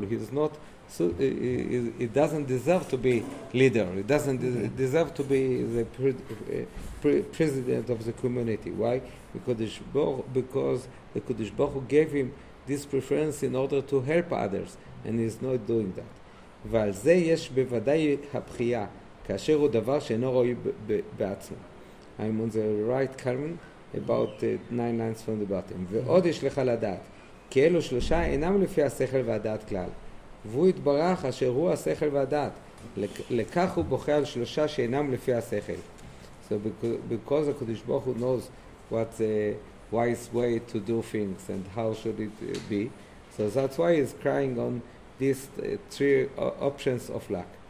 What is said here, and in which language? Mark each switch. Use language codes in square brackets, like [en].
[en] He's not, he doesn't deserve to be leader. He doesn't deserve to be the president of the community. Why? Because the Kodesh Baruch Hu gave him this preference in order to help others, and he's not doing that. [he] ועל זה יש בוודאי הבחייה, כאשר הוא דבר שאינו רואי בעצמו. [en] I'm on the right, Carmen, about 9 lines from the bottom. [he] ועוד יש לך לדעת, כי אלו שלושה אינם לפי השכל והדעת כלל. והוא התברך אשר הוא השכל והדעת. לכך הוא בוכה על שלושה שאינם לפי השכל. [en] So because the Kodesh Baruch Hu knows what the wise way to do things and how should it be, so that's why he's crying on these three options of luck.